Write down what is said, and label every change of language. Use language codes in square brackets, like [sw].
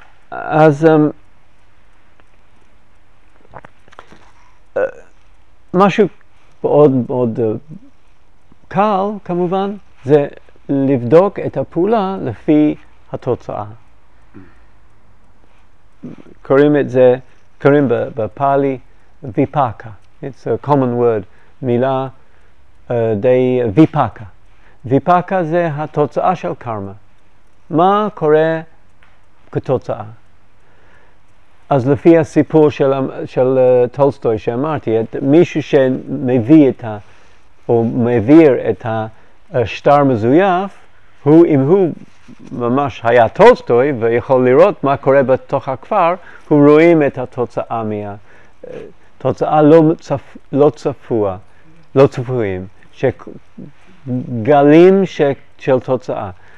[he] אז משהו מאוד מאוד קל כמובן זה לבדוק את הפעולה לפי התוצאה. קוראים את זה, קוראים בפאלי ויפאקה. [en] It's a common word, [he] מילה די ויפאקה. ויפאקה זה התוצאה של קרמה. מה קורה כתוצאה? אז לפי הסיפור של טולסטוי שאמרתי, את מישהו שמביא את ה, או מעביר את השטר מזויף, הוא, אם הוא ממש היה טולסטוי ויכול לראות מה קורה בתוך הכפר, הוא רואים את התוצאה תוצאה לא צפויים, שגלים של תוצאה.